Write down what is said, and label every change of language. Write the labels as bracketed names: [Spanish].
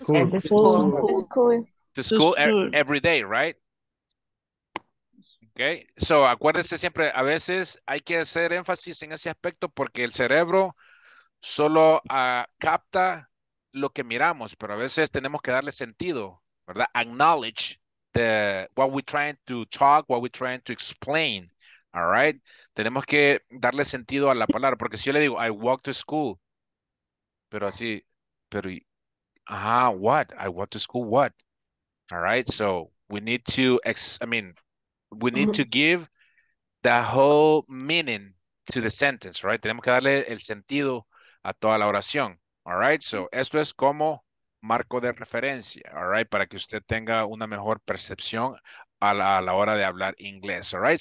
[English] To school. Every day, right? Okay. [Spanish] So, acuérdese siempre, a veces hay que hacer énfasis en ese aspecto porque el cerebro solo capta lo que miramos, pero a veces tenemos que darle sentido, ¿verdad? [English] Acknowledge what we're trying to talk, what we're trying to explain, all right? [Spanish] Tenemos que darle sentido a la palabra, porque si yo le digo, [English] I walk to school, I walk to school, what? All right, so we need to give the whole meaning to the sentence, right? [Spanish] Tenemos que darle el sentido a toda la oración, all right? So esto es como marco de referencia, all right? Para que usted tenga una mejor percepción a la hora de hablar inglés, all right?